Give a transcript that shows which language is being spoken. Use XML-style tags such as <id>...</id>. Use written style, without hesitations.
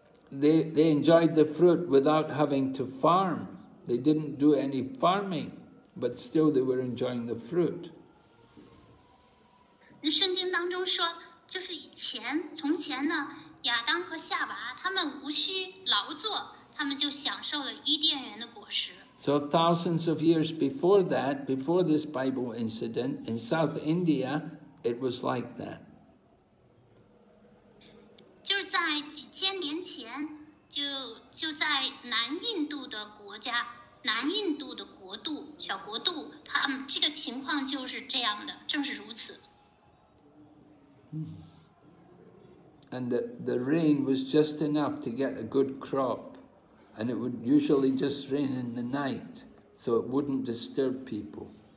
<en>So they enjoyed the fruit without having to farm. They didn't do any farming, but still they were enjoying the fruit.</en> <zh>圣经当中说，就是以前从前呢，亚当和夏娃他们无需劳作，他们就享受了伊甸园的果实。</zh> <en>So thousands of years before that, before this Bible incident, in South India, it was like that.</en> <zh>就在几千年前，就在南印度的国家，南印度的国度，小国度，他们这个情况就是这样的，正是如此。</zh> <en>And the rain was just enough to get a good crop. And it would usually just rain in the night, so it wouldn't disturb people.</en>